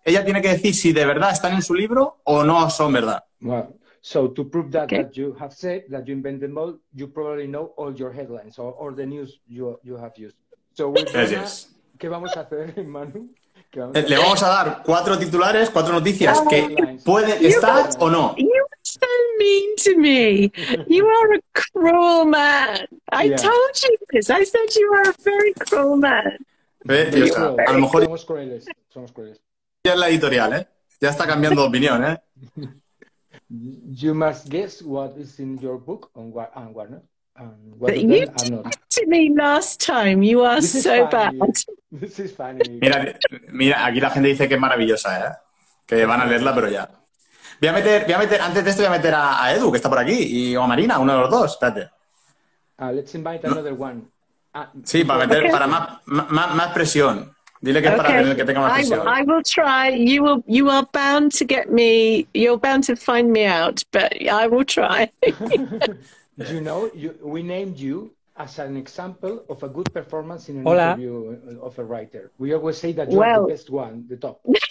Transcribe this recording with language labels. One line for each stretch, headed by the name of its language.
Spanish: Ella tiene que decir si de verdad están en su libro o no son verdad. Bueno.
English: So to prove that, okay. that you have said that you invent them all, you probably know all your headlines or all the news you have used.
Spanish: So ¿qué vamos a hacer, Manu? Le vamos a dar cuatro titulares, cuatro noticias que puede estar o no.
English: You are so mean to me. You are a cruel man. I yeah. told you this. I said you are a very cruel man.
Spanish: A lo mejor somos crueles. Ya es la editorial, ¿eh? Ya está cambiando de opinión, ¿eh?
English: You must guess what is in your book and what not. But you did to me last time. You are so bad. This is funny.
Spanish: Mira, aquí la gente dice que es maravillosa, ¿eh? Que van a leerla, pero ya. Voy a meter a Edu, que está por aquí, y o a Marina, uno de los dos. Espérate.
English: Let's invite another one.
Spanish: Sí, para meter okay. para más presión. Dile que es okay. para tener que tenga más presión.
English: I will try. You are bound to get me. You're bound to find me out, but I will try. You know, we named you as an example of a good performance in an
Spanish: Hola.
English: Interview of a writer. We always say that you're the best one, the top.